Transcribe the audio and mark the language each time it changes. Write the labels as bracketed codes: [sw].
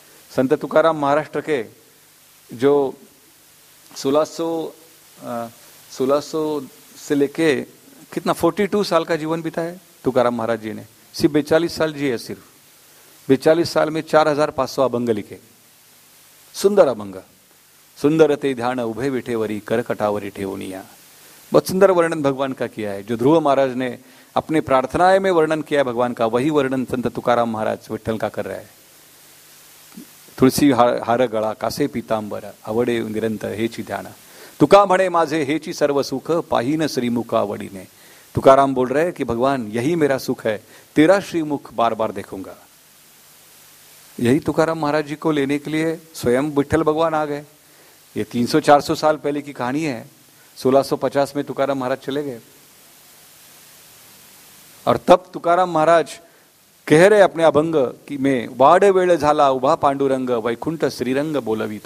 [hi] संत तुकाराम महाराष्ट्र के जो 42 साल का जीवन बिताया है तुकाराम महाराज जी ने, सिर्फ 42 साल जी है, सिर्फ 42 साल में 4500 अभंग लिखे, सुंदर अभंग, [mr] सुंदर ते ध्यान उभय बिठे वरी कर कटावरी ठेवनिया, [hi] बहुत सुंदर वर्णन भगवान का किया है। जो ध्रुव महाराज ने अपने प्रार्थनाएं में वर्णन किया है भगवान का, वही वर्णन संत तुकाराम महाराज विठल का कर रहा है। [mr] तुलसी हार गळा कासे पीतांबर आवडे निरंतर हेची ध्यान, तुका म्हणे माझे हेची सर्व सुख पाहीन श्रीमुखा वडीने। [hi] तुकाराम बोल रहे कि भगवान यही मेरा सुख है, तेरा श्रीमुख बार बार देखूंगा। यही तुकाराम महाराज जी को लेने के लिए स्वयं विठल भगवान आ गए। ये 300-400 साल पहले की कहानी है, 1650 में तुकाराम महाराज चले गए, और तब तुकाराम महाराज कह रहे अपने अभंग कि मैं [mr] वाड़े वेड़े झाला उभा पांडुरंग वैकुंठ श्रीरंग बोलवी।